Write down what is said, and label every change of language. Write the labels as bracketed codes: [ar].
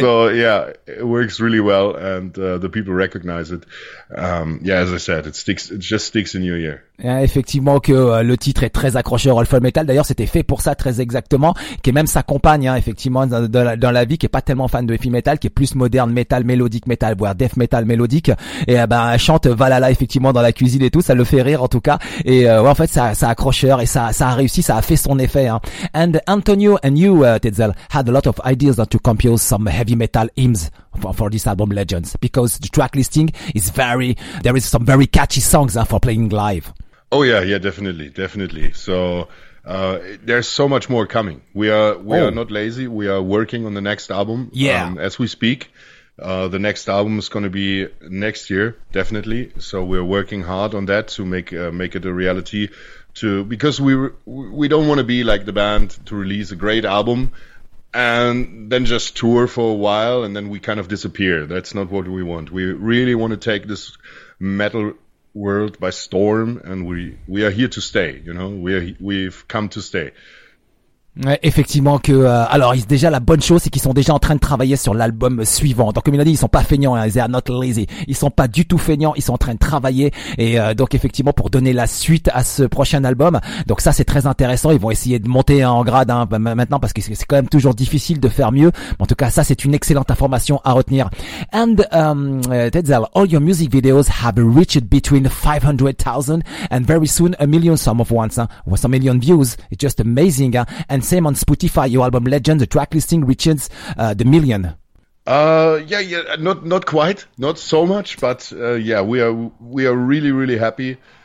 [en] So yeah, it works really well, and the people recognize it. As I said, it just sticks in your ear. [fr] Yeah, effectivement que le titre est très accrocheur, All for Metal. D'ailleurs, c'était fait pour ça très exactement, qui est même sa compagne, hein, effectivement, dans la vie, qui est pas tellement fan de heavy metal, qui est plus moderne metal mélodique, metal voire death metal mélodique, et elle chante Valhalla effectivement dans la cuisine et tout, ça le fait rire en tout cas, et en fait ça accrocheur, et ça a réussi, ça a fait son effet, hein. [en] And Antonio and you, Tetzel, had a lot of ideas to compose some heavy metal hymns for this album Legends, because the track listing is very, there is some very catchy songs for playing live. Oh yeah, definitely. So there's so much more coming. We are not lazy. We are working on the next album. Yeah. As we speak, the next album is going to be next year, definitely. So we're working hard on that to make it a reality. Because we don't want to be like the band to release a great album and then just tour for a while and then we kind of disappear. That's not what we want. We really want to take this metal world by storm, and we are here to stay, you know, we've come to stay. [fr] Ouais, effectivement que alors déjà la bonne chose c'est qu'ils sont déjà en train de travailler sur l'album suivant. Donc comme il a dit, ils sont pas feignants, hein, [en] they are not lazy. [fr] Ils sont pas du tout feignants, ils sont en train de travailler, et donc effectivement pour donner la suite à ce prochain album. Donc ça c'est très intéressant, ils vont essayer de monter en grade, hein, maintenant, parce que c'est quand même toujours difficile de faire mieux. En tout cas, ça c'est une excellente information à retenir. [en] And Tetzel, all your music videos have reached between 500,000 and very soon a million some of ones, hein, with some million views. It's just amazing, hein. And same on Spotify, your album Legend, the track listing reaches the million. Not quite so much, but we are really, really happy.